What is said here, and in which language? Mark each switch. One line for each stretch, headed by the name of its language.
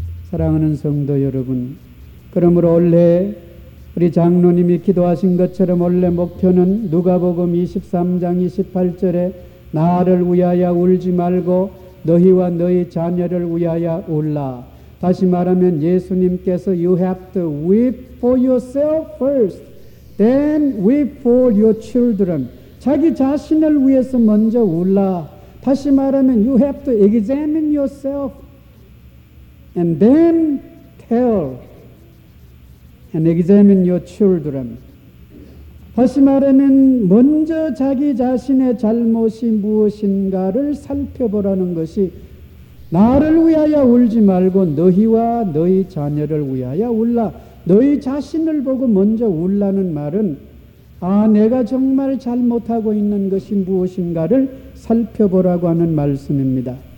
Korean: 사랑하는 성도 여러분, 그러므로 원래 우리 장로님이 기도하신 것처럼 원래 목표는 누가복음 23장 28절에 나를 위하여 울지 말고 너희와 너희 자녀를 위하여 울라. 다시 말하면 예수님께서
English: You have to weep for yourself first, then weep for your children.
Korean: 자기 자신을 위해서 먼저 울라. 다시 말하면
English: You have to examine yourself and then tell and examine your children.
Korean: 다시 말하면 먼저 자기 자신의 잘못이 무엇인가를 살펴보라는 것이, 나를 위하여 울지 말고 너희와 너희 자녀를 위하여 울라, 너희 자신을 보고 먼저 울라는 말은, 아, 내가 정말 잘못하고 있는 것이 무엇인가를 살펴보라고 하는 말씀입니다.